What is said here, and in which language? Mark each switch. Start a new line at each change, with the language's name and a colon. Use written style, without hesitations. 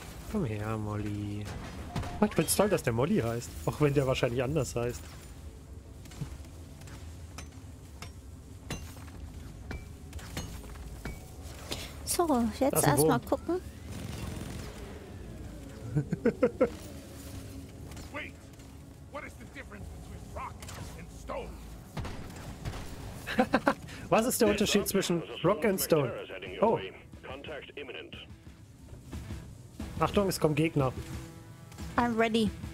German: Komm her, Molly. Ich bin toll, dass der Molly heißt. Auch wenn der wahrscheinlich anders heißt. So, jetzt erstmal gucken.
English: Wait, what is the difference between rock and stone?
German: Was ist der Unterschied zwischen Rock and Stone? Oh.
English: Contact imminent.
German: Achtung, es kommen Gegner.
English: I'm ready.